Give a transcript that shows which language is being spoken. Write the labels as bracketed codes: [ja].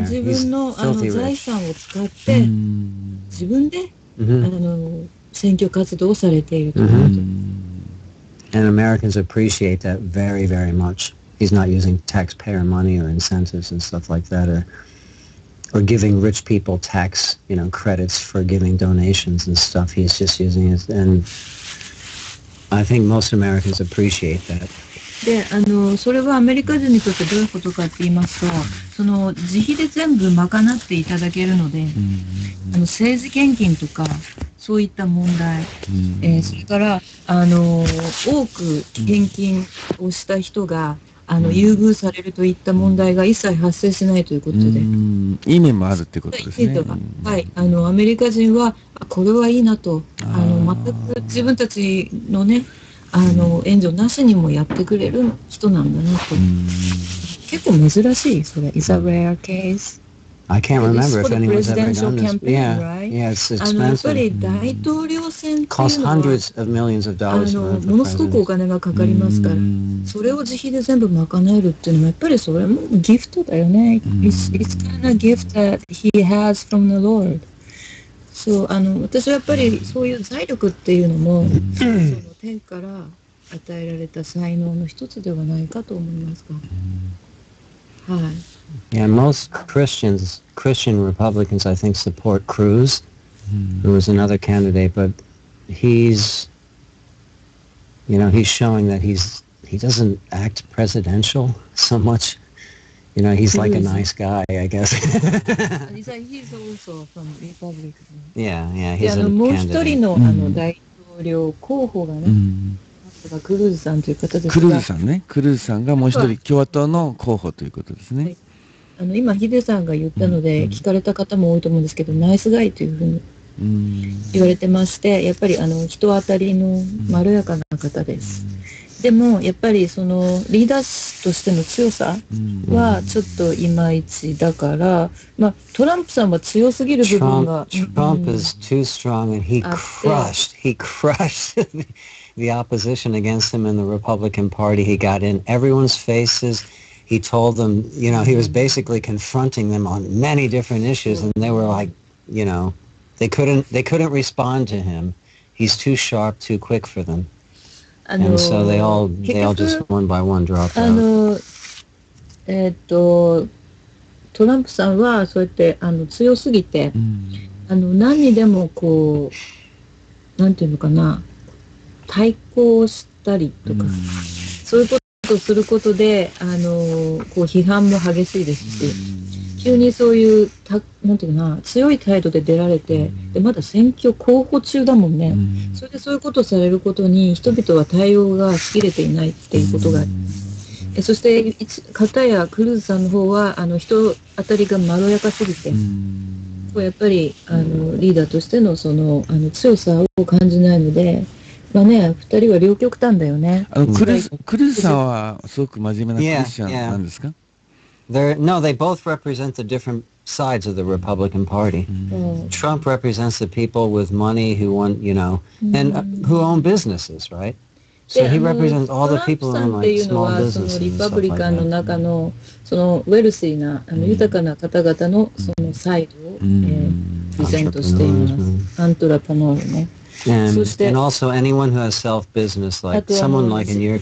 [ja] 自分の、財産を使って、自分で、選挙活動をされているということ。 [en] And Americans appreciate that very, very much. He's not using taxpayer money or incentives and stuff like that, or giving rich people tax, credits for giving donations and stuff. He's just using it. And I think most Americans appreciate that. [ja] で、それはアメリカ人にとってどういうことかって言いますと、その自費で全部賄っていただけるので、政治献金とかそういった問題、それから多く献金をした人が優遇されるといった問題が一切発生しないということで、いい面もあるってことですね。はい、アメリカ人はこれはいいなと、全く自分たちのね、援助なしにもやってくれる人なんだなと。結構珍しい、それ。 [en] It's a rare case. I can't remember if anyone's ever done this. Yeah, it's expensive. [ja] やっぱり大統領選っていうのは、 [en] costs hundreds of millions of dollars for the president. [ja] ものすごくお金がかかりますから、それを自費で全部賄えるっていうのも、やっぱりそれもギフトだよね。 [en] It's kind of gift that he has from the Lord. [ja] そう、私はやっぱりそういう財力っていうのも、その天から与えられた才能の一つではないかと思いますか。はい。 [en] Yeah, most Christian Republicans, I think, support Cruz, who is another candidate, but he's showing that he doesn't act presidential so much. He's like a nice guy, I guess. He's also from Republican. Yeah, he's a candidate. [ja] もう一人の大統領候補がね、クルーズさんという方ですが、クルーズさんね、クルーズさんがもう一人共和党の候補ということですね。今ヒデさんが言ったので聞かれた方も多いと思うんですけど、ナイスガイというふうに言われてまして、やっぱり人当たりのまろやかな方です。でもやっぱりそのリーダーとしての強さはちょっといまいちだから、まあトランプさんは強すぎる部分が、 [en] Trump is too strong and he crushed the opposition against him in the Republican Party. He got in everyone's faces. He told them, he was basically confronting them on many different issues, and they were like, they couldn't respond to him. He's too sharp, too quick for them. And so they all just one by one dropped out. [ja] トランプさんはそうやって強すぎて、何にでもこう、なんていうのかな、対抗したりとか、そういうことをすることで、こう批判も激しいですし、急にそういう、なんていうかな、強い態度で出られて、で、まだ選挙候補中だもんね。それでそういうことをされることに、人々は対応がしきれていないっていうことがあります。そして、片やクルーズさんの方は、人当たりがまろやかすぎて、やっぱり、リーダーとしての、強さを感じないので、まあね、二人は両極端だよね。クルーズさんは、すごく真面目なクリスチャンなんですか？ [en] No, they both represent the different sides of the Republican Party. Trump represents the people with money who want, and who own businesses, right? So he represents all the people in like small businesses. [ja] リパブリカンの中のそのウェルシーな豊かな方々のそのサイドをリゼントしています。アントラプノールね。 [en] And also anyone who has self business, like someone like in your case.